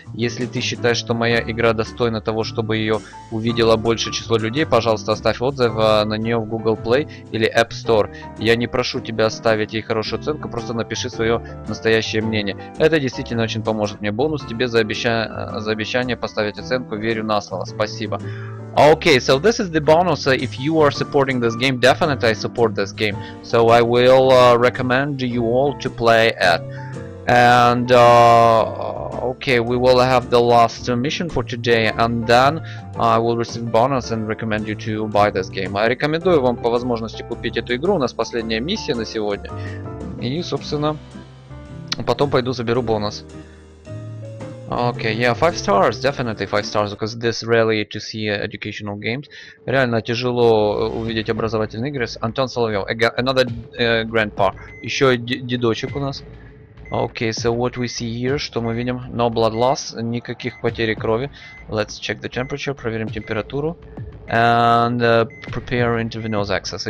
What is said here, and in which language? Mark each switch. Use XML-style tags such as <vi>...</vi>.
<ru>Если ты считаешь, что моя игра достойна того, чтобы ее увидело большее число людей, пожалуйста, оставь отзыв на нее в Google Play или App Store. Я не прошу тебя оставить ей хорошую оценку, просто напиши свое настоящее мнение. Это действительно очень поможет мне. Бонус тебе за обещание поставить оценку. Верю на слово. Спасибо.</ru> <en>Okay, so this is the bonus. If you are supporting this game, definitely I support this game. So I will recommend you all to play it. And okay, we will have the last mission for today, and then I will receive bonus and recommend you to buy this game. I</en> <ru>рекомендую вам по возможности купить эту игру. У нас последняя миссия на сегодня. И, собственно, потом пойду заберу бонус.</ru> <en>Okay, yeah, 5 stars, definitely 5 stars, because this rarely to see educational games.</en> <ru>Реально тяжело увидеть образовательные игры. Антон Соловьев,</ru> <en>another grandpa.</en> <ru>Еще дедочек у нас.</ru> <en>Okay, so what we see here,</en> <ru>что мы видим?</ru> <en>No blood loss,</en> <ru>никаких потерь крови.</ru> <en>Let's check the temperature,</en> <ru>проверим температуру.</ru> <en>And prepare intravenous access.</en>